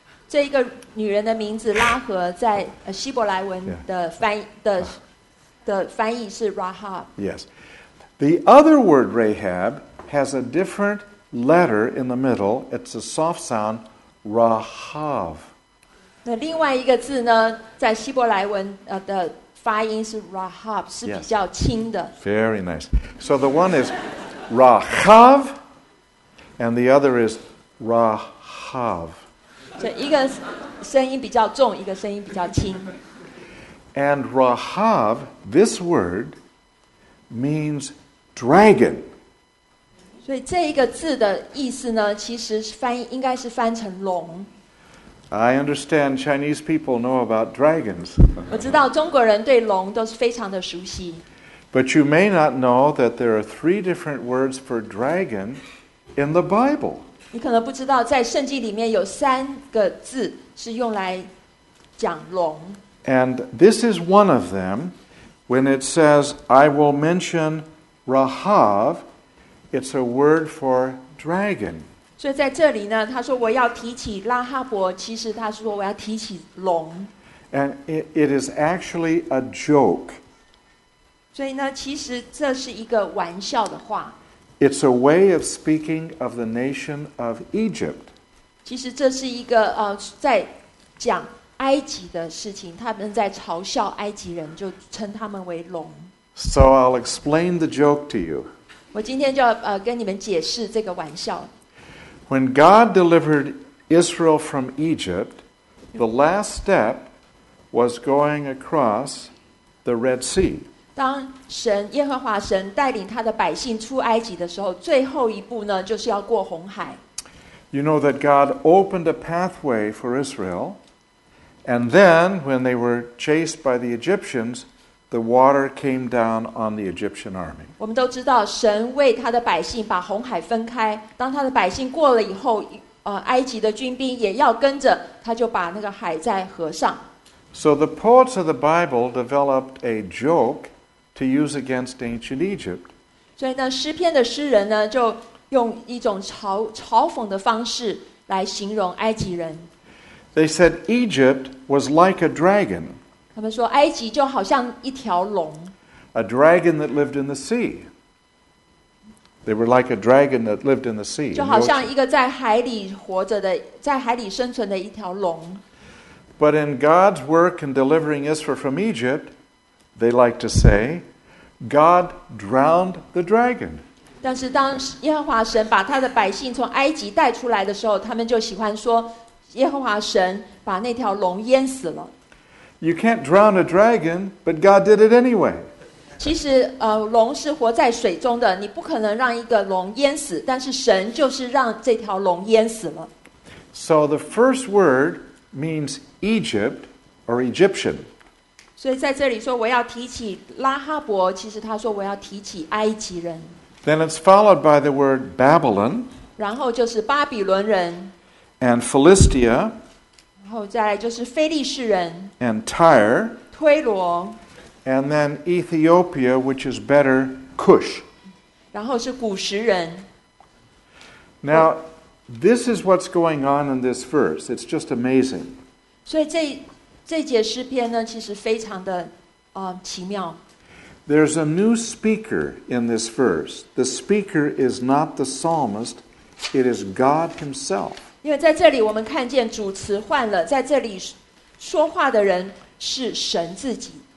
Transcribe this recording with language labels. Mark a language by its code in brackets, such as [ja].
[zh] 这一个女人的名字拉合在希伯来文的翻译 的翻译是 Rahab. [en] Yes. The other word Rahab has a different letter in the middle. It's a soft sound, Rahav. [zh] 那另外一个字呢在希伯来文的发音是 Rahab, 是比较轻的。 [en] Yes. Very nice. So the one is Rahav, and the other is Rahav. [zh] 这一个声音比较重，一个声音比较轻。 [en] And Rahab, this word means dragon. [zh] 所以这一个字的意思呢，其实翻译应该是翻成龙。 [en] I understand Chinese people know about dragons. [zh] 我知道中国人对龙都是非常的熟悉。 [en] But you may not know that there are three different words for dragon in the Bible. [zh] 你可能不知道，在圣经里面有三个字是用来讲龙。 [en] And this is one of them. When it says, "I will mention Rahab," it's a word for dragon. [zh] 所以在这里呢，他说我要提起拉哈伯，其实他说我要提起龙。 [en] And it is actually a joke. [zh] 所以呢，其实这是一个玩笑的话。 [en] It's a way of speaking of the nation of Egypt. [zh] 其实这是一个在讲埃及的事情，他们在嘲笑埃及人，就称他们为龙。 [en] So I'll explain the joke to you. [zh] 我今天就跟你们解释这个玩笑。 [en] When God delivered Israel from Egypt, the last step was going across the Red Sea. [zh] 当神耶和华神带领他的百姓出埃及的时候，最后一步呢，就是要过红海。 [en] You know that God opened a pathway for Israel, and then when they were chased by the Egyptians, the water came down on the Egyptian army. [zh] 我们都知道，神为他的百姓把红海分开。当他的百姓过了以后，埃及的军兵也要跟着，他就把那个海再合上。 [en] So the poets of the Bible developed a joke. To use against ancient Egypt. [zh] 所以呢，诗篇的诗人呢，就用一种嘲讽的方式来形容埃及人。 [en] They said Egypt was like a dragon. [zh] 他们说埃及就好像一条龙。 [en] A dragon that lived in the sea. They were like a dragon that lived in the sea. [zh] 就好像一个在海里活着的，在海里生存的一条龙。 [en] But in God's work in delivering Israel from Egypt. They like to say, God drowned the dragon. [zh] 但是当耶和华神把他的百姓从埃及带出来的时候，他们就喜欢说耶和华神把那条龙淹死了。 [en] You can't drown a dragon, but God did it anyway. [zh] 其实龙是活在水中的，你不可能让一个龙淹死，但是神就是让这条龙淹死了。 [en] So the first word means Egypt or Egyptian. [zh] 所以在这里说我要提起拉哈伯，其实他说我要提起埃及人。 [en] Then it's followed by the word Babylon. [zh] 然后就是巴比伦人。 [en] And Philistia. [zh] 然后再来就是腓力士人。 [en] And Tyre. [zh] 推罗。 [en] And then Ethiopia, which is better Cush. [zh] 然后是古实人。 [en] Now, this is what's going on in this verse. It's just amazing. [zh] 所以这。这节诗篇呢，其实非常的奇妙。 [en] There's a new speaker in this verse. The speaker is not the psalmist; it is God Himself. [zh] 因为在这里我们看见主词换了，在这里说话的人是神自己。